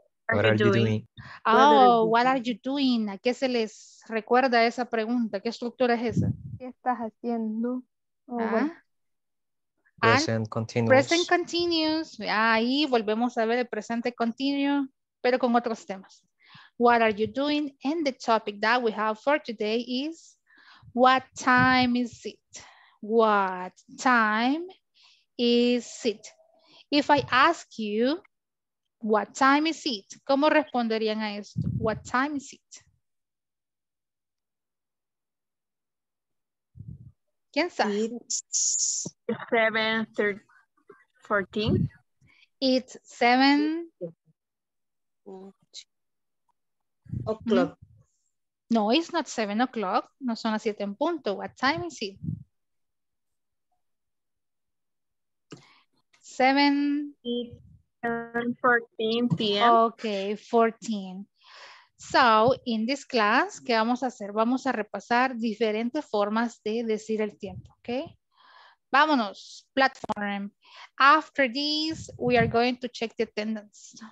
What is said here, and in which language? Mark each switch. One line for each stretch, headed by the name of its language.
English: What are you doing?
Spanish: ¿A qué se les recuerda esa pregunta? ¿Qué estructura es esa? ¿Qué estás haciendo?
English: Present continuous. Present continuous.
Spanish: Ahí volvemos a ver el presente continuo, pero con otros temas.
English: What are you doing? And the topic that we have for today is what time is it? What time is it? If I ask you, what time is it?
Spanish: ¿Cómo responderían a esto?
English: What time is it?
Spanish: ¿Quién sabe?
English: It's 7:14. O'clock. No, it's not 7 o'clock.
Spanish: No son las 7 en punto.
English: What time is it? 7:14 p.m. Ok, 14. So, in this class,
Spanish: ¿qué vamos a hacer? Vamos a repasar diferentes formas de decir el tiempo, ¿ok? Vámonos, platform.
English: After this, we are going to check the attendance.